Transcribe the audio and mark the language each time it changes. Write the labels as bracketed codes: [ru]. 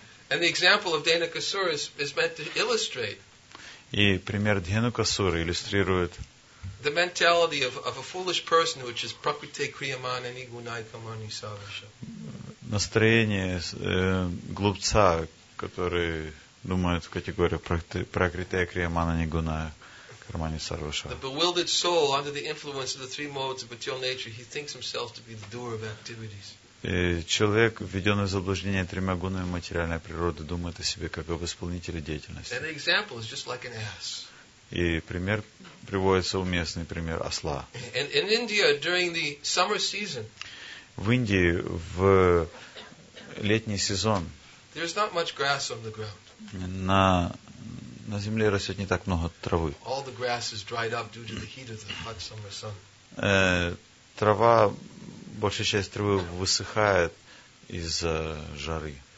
[en] And the example of Dhenukasura is meant to illustrate. [ru] И пример Дхенукасуры иллюстрирует настроение глупца, который думает в категории [sa] Пракритея Криямана Нигуная Кармани Сарваша. [en] The bewildered soul under the influence of the three modes of material nature, he thinks himself to be the doer of activities. [ru] И человек, введенный в заблуждение тремя гунами материальной природы, думает о себе как об исполнителе деятельности. [en] Like [ru] и пример приводится уместный, пример осла. [en] In India, during the summer season, [ru] в Индии в летний сезон [en] not much grass on the ground. [ru] На земле растет не так много травы. [en] All the grass is dried up due to the heat of the hot summer sun. [ru] Трава большая часть травы высыхает из-за жары.